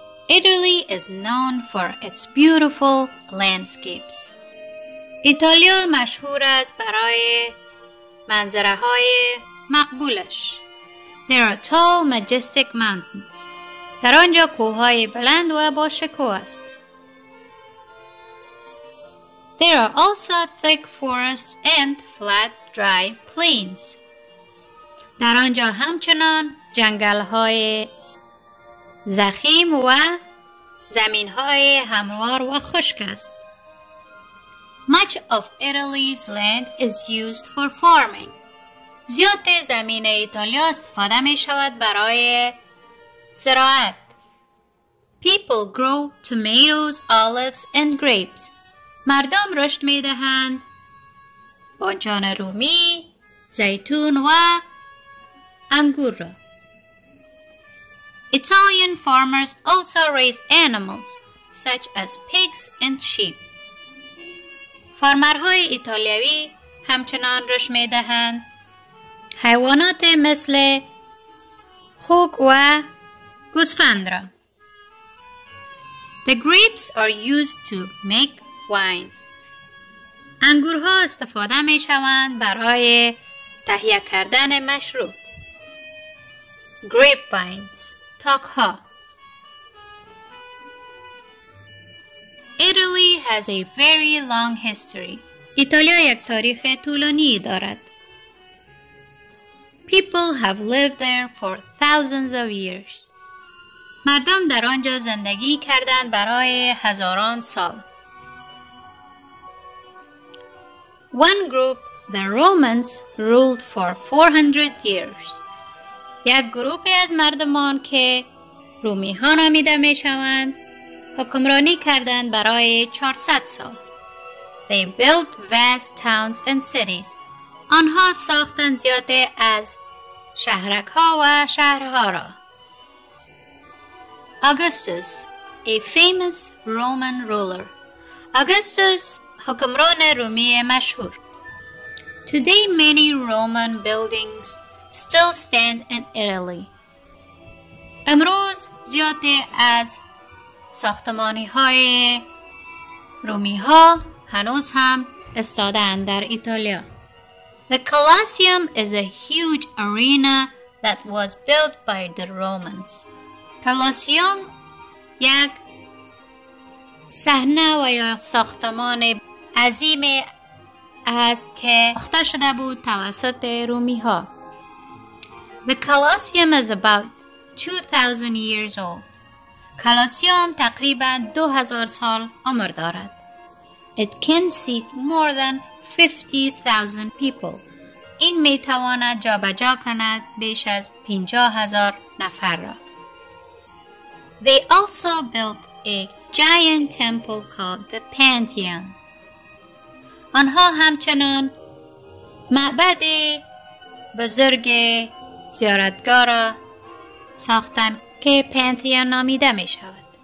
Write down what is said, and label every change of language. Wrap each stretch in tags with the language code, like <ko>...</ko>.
<en>Italy is known for its beautiful landscapes.</en> <fa>ایتالیا مشهور است برای منظره های مقبولش.</fa> <en>There are tall, majestic mountains.</en> <fa>در آنجا کوههای بلند و باشکوه است.</fa> <en>There are also thick forests and flat, dry plains.</en> <fa>در آنجا همچنان جنگل‌های ضخیم و زمین‌های هموار و خشک است.</fa> <en>Much of Italy's land is used for farming.</en> <fa>زیاد زمین ایتالیا استفاده می‌شود برای زراعت.</fa> <en>People grow tomatoes, olives and grapes.</en> <fa>مردم رشد می دهند بانجان رومی، زیتون و انگور را.</fa> <en>Italian farmers also raise animals such as pigs and sheep.</en> <fa>فارمرهای ایتالیایی همچنان رشد می دهند حیوانات مثل خوک و گوسفند را.</fa> <en>The grapes are used to make wine.</en> <fa>انگورها استفاده می شوند برای تهیه کردن مشروب.</fa> <en>Grape vines.</en> <fa>تاک ها.</fa> <en>Italy has a very long history.</en> <fa>ایتالیا یک تاریخ طولانی دارد.</fa> <en>People have lived there for thousands of years.</en> <fa>مردم در آنجا زندگی کردند برای هزاران سال.</fa> <en>One group, the Romans, ruled for 400 years.</en> <fa>یک گروهی از مردمان که رومی ها نامیده می شوند حکمرانی کردند برای 400 سال.</fa> <en>They built vast towns and cities.</en> <fa>آنها ساختند زیاده از شهرک ها و شهرها را.</fa> <en>Augustus, a famous Roman ruler.</en> <fa>Augustus حکمران رومی مشهور.</fa> <en>Today many Roman buildings still stand in Italy.</en> <fa>امروز زیاده از ساختمانی های رومی ها هنوز هم استادند در ایتالیا.</fa> <en>The Colosseum is a huge arena that was built by the Romans.</en> <fa>Colosseum یک صحنه و یا ساختمان عظیم است که ساخته شده بود توسط رومی ها.</fa> <en>The Colosseum is about 2000 years old.</en> <fa>کلوسیوم تقریبا 2000 سال عمر دارد.</fa> <en>It can seat more than 50,000 people.</en> <fa>این می تواند جا به جا کند بیش از 50,000 نفر را.</fa> <en>They also built a giant temple called the Pantheon.</en> <fa>آنها همچنان معبد بزرگ زیارتگاه را ساختند که پنتیون نامیده می شود.</fa>